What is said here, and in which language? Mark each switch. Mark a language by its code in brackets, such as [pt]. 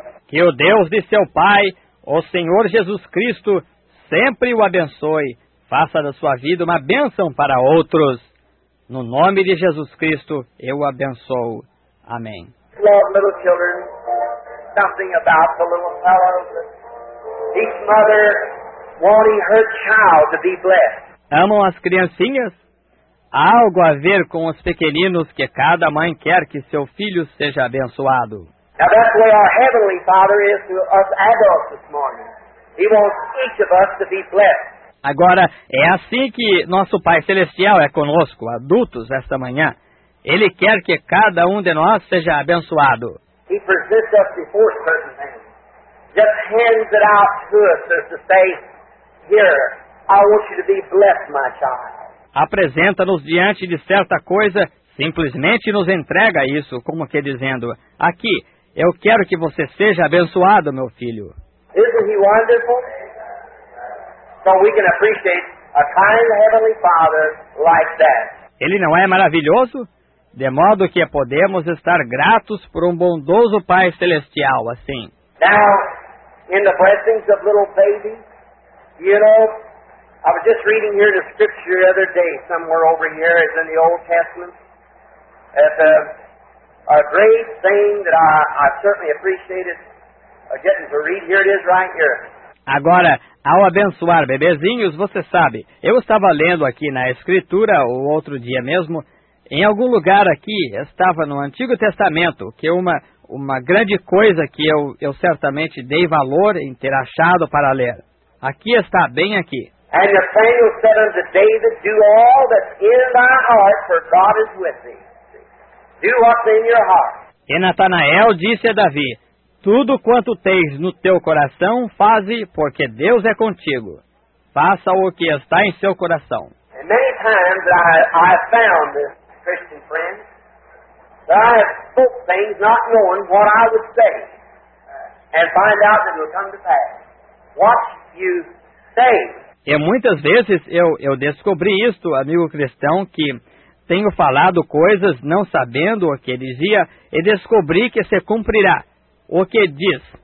[pt] Que o Deus de seu Pai, o Senhor Jesus Cristo, sempre o abençoe. Faça da sua vida uma bênção para outros. No nome de Jesus Cristo, eu o abençoo. Amém. [en] Love little children, nothing about the little fellows. Each mother wanting her child to be blessed. [pt] Amam as criancinhas? Há algo a ver com os pequeninos que cada mãe quer que seu filho seja abençoado. [en] Now that's where our heavenly Father is to us adults this morning. He wants each of us to be blessed. [pt] Agora, é assim que nosso Pai Celestial é conosco, adultos, esta manhã. Ele quer que cada um de nós seja abençoado. [en] He presents us before certain things. Just hands it out to us to say, here, I want you to be blessed, my child. [pt] Apresenta-nos diante de certa coisa, simplesmente nos entrega isso, como que dizendo, aqui, eu quero que você seja abençoado, meu filho. [en] Isn't he wonderful? So we can appreciate a kind heavenly father like that. [pt] Ele não é maravilhoso? De modo que podemos estar gratos por um bondoso Pai Celestial, assim. [en] Now, in the blessings of little baby, you know, I was just reading here the scripture the other day, somewhere over here, it's in the Old Testament. It's a great thing that I certainly appreciated getting to read. Here it is right here. [pt] Agora, ao abençoar bebezinhos, você sabe, eu estava lendo aqui na Escritura, o outro dia mesmo, em algum lugar aqui, estava no Antigo Testamento, que é uma grande coisa que eu certamente dei valor em ter achado para ler. Aqui está, bem aqui. [en] And Nathanael said unto David, do all that's in thy heart, for God is with thee. Do what's in your heart. [pt] E Natanael disse a Davi, tudo quanto tens no teu coração, faze, porque Deus é contigo. Faça o que está em seu coração. [en] And many times I found this Christian friend that I have spoke things not knowing what I would say and find out that it will come to pass. What you say. [pt] E muitas vezes eu descobri isto, amigo cristão, que tenho falado coisas não sabendo o que dizia e descobri que se cumprirá. O que diz?